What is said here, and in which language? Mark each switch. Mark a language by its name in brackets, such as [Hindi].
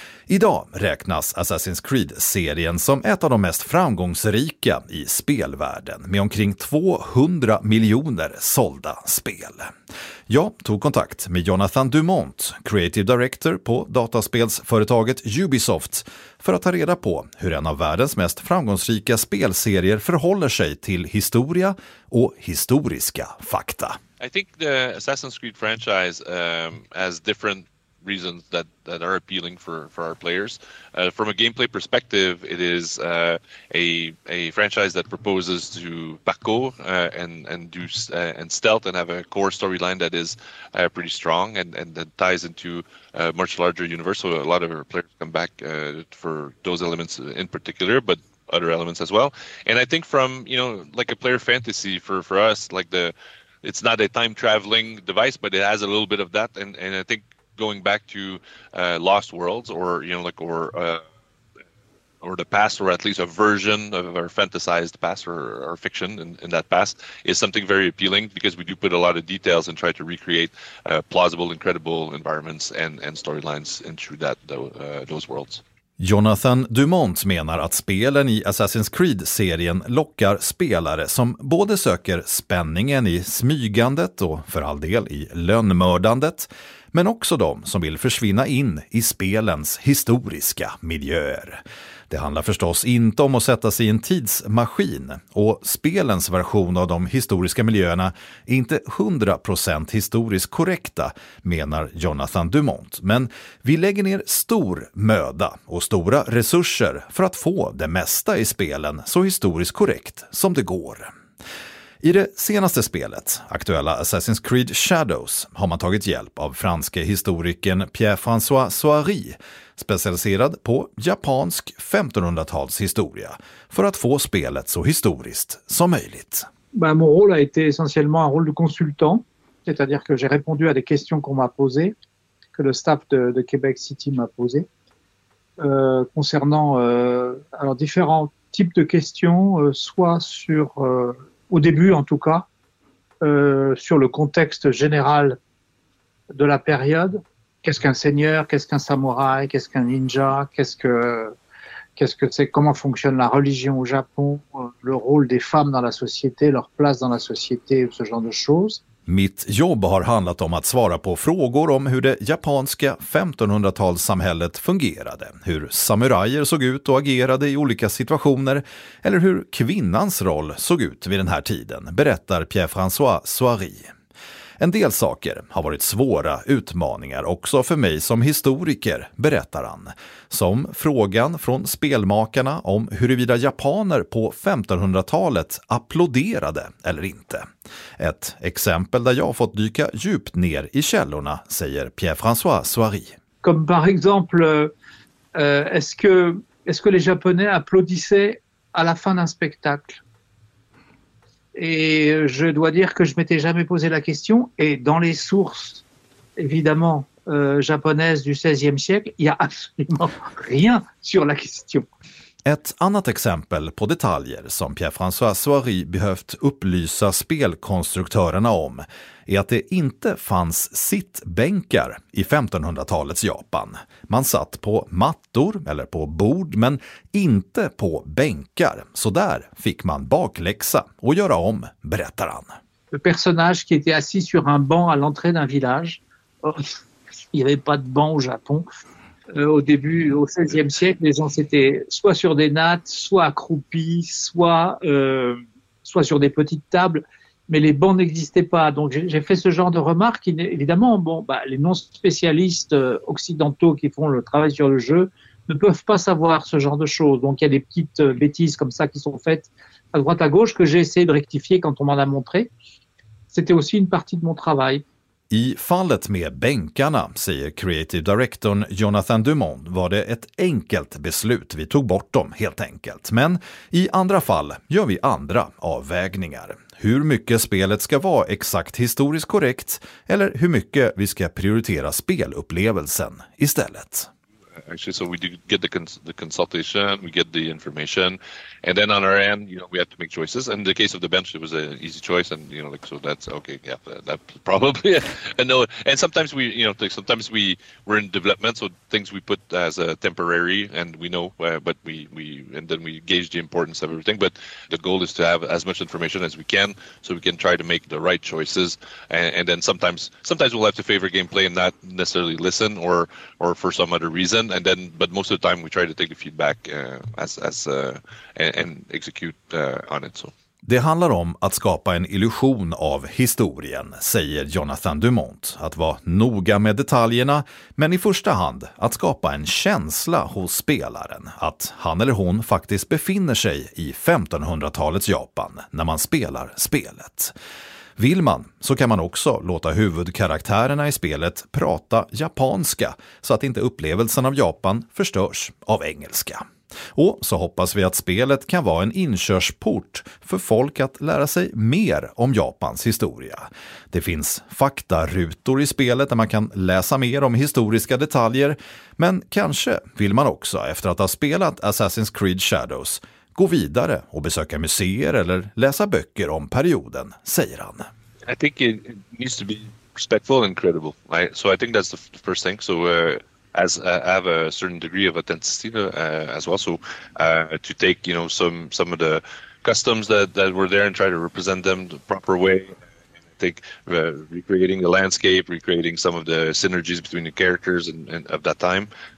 [Swedish] Idag räknas Assassin's Creed-serien som ett av de mest framgångsrika i spelvärlden med omkring 200 miljoner sålda spel. Jag tog kontakt med Jonathan Dumont, creative director på dataspelsföretaget Ubisoft, för att ta reda på hur en av världens mest framgångsrika spelserier förhåller sig till historia och historiska fakta. [English] I think the Assassin's Creed franchise has different reasons that are appealing for our players. From a gameplay perspective, it is a franchise that proposes to parkour and stealth and have a core storyline that is pretty strong and that ties into a much larger universe. So a lot of our players come back for those elements in particular, but other elements as well. And I think from, you know, like a player fantasy for us, like it's not a time traveling device, but it has a little bit of that. And I think going back to Lost Worlds or the past, or at least a version of our fantasized past or fiction in that past, is something very appealing because we do put a lot of details and try to recreate plausible, incredible environments and storylines into those worlds. [Swedish] Jonathan Dumont menar att spelen i Assassin's Creed-serien lockar spelare som både söker spänningen i smygandet och för all del i lönnmördandet, men också de som vill försvinna in i spelens historiska miljöer. Det handlar förstås inte om att sätta sig i en tidsmaskin, och spelens version av de historiska miljöerna är inte 100% historiskt korrekta, menar Jonathan Dumont. Men vi lägger ner stor möda och stora resurser för att få det mesta i spelen så historiskt korrekt som det går. I det senaste spelet, aktuella Assassin's Creed Shadows, har man tagit hjälp av franske historikern Pierre-François Soary, specialiserad på japansk 1500-talshistoria, för att få spelet så historiskt som möjligt. [French] Ben, mon rôle a été essentiellement un rôle de consultant, c'est-à-dire que j'ai répondu à des questions qu'on m'a posées, que le staff de Québec City m'a posées, concernant alors différents types de questions, soit sur au début en tout cas, sur le contexte général de la période, qu'est-ce qu'un seigneur, qu'est-ce qu'un samouraï, qu'est-ce qu'un ninja, qu'est-ce que c'est, comment fonctionne la religion au Japon, le rôle des femmes dans la société, leur place dans la société, ce genre de choses. [Swedish] Mitt jobb har handlat om att svara på frågor om hur det japanska 1500-talssamhället fungerade, hur samurajer såg ut och agerade i olika situationer eller hur kvinnans roll såg ut vid den här tiden, berättar Pierre-François Soary. En del saker har varit svåra utmaningar också för mig som historiker, berättar han. Som frågan från spelmakarna om huruvida japaner på 1500-talet applåderade eller inte. Ett exempel där jag fått dyka djupt ner i källorna, säger Pierre-François Soary. [French] Comme par exemple, est-ce que les japonais applaudissaient à la fin d'un spectacle? Et je dois dire que je m'étais jamais posé la question. Et dans les sources, évidemment, japonaises du XVIe siècle, il y a absolument rien sur la question. [Swedish] Ett annat exempel på detaljer som Pierre-François Soary behövt upplysa spelkonstruktörerna om är att det inte fanns sittbänkar i 1500-talets Japan. Man satt på mattor eller på bord, men inte på bänkar. Så där fick man bakläxa och göra om, berättar han. [French] Le personnage qui était assis sur un banc à l'entrée d'un village. Il n'y avait pas de banc au Japon. Au début, au XVIe siècle, les gens étaient soit sur des nattes, soit accroupis, soit sur des petites tables, mais les bancs n'existaient pas. Donc j'ai fait ce genre de remarque. Évidemment, bon, bah, les non-spécialistes occidentaux qui font le travail sur le jeu ne peuvent pas savoir ce genre de choses. Donc il y a des petites bêtises comme ça qui sont faites à droite à gauche que j'ai essayé de rectifier quand on m'en a montré. C'était aussi une partie de mon travail. [Swedish] I fallet med bänkarna, säger creative directorn Jonathan Dumont, var det ett enkelt beslut. Vi tog bort dem helt enkelt. Men i andra fall gör vi andra avvägningar. Hur mycket spelet ska vara exakt historiskt korrekt eller hur mycket vi ska prioritera spelupplevelsen istället. [English] Actually, so we do get the consultation, we get the information, and then on our end, you know, we have to make choices. In the case of the bench, it was an easy choice, and you know, like, so that's okay. Yeah, that probably. And no, and sometimes we, you know, like sometimes we were in development, so things we put as a temporary, and we know, but we and then we gauge the importance of everything. But the goal is to have as much information as we can, so we can try to make the right choices. And then sometimes we'll have to favor gameplay and not necessarily listen, or for some other reason. And then, but most of the time we try to take the feedback and execute on it. So. [Swedish] Det handlar om att skapa en illusion av historien, säger Jonathan Dumont. Att vara noga med detaljerna, men i första hand att skapa en känsla hos spelaren. Att han eller hon faktiskt befinner sig i 1500-talets Japan när man spelar spelet. Vill man så kan man också låta huvudkaraktärerna i spelet prata japanska så att inte upplevelsen av Japan förstörs av engelska. Och så hoppas vi att spelet kan vara en inkörsport för folk att lära sig mer om Japans historia. Det finns faktarutor i spelet där man kan läsa mer om historiska detaljer, men kanske vill man också efter att ha spelat Assassin's Creed Shadows gå vidare och besöka museer eller läsa böcker om perioden, säger han. [English] I think it needs to be respectful and credible, right? So I think that's the first thing. So as I have a certain degree of authenticity as well, so to take, you know, some of the customs that were there and try to represent them the proper way. I think recreating the landscape, recreating some of the synergies between the characters and of that time.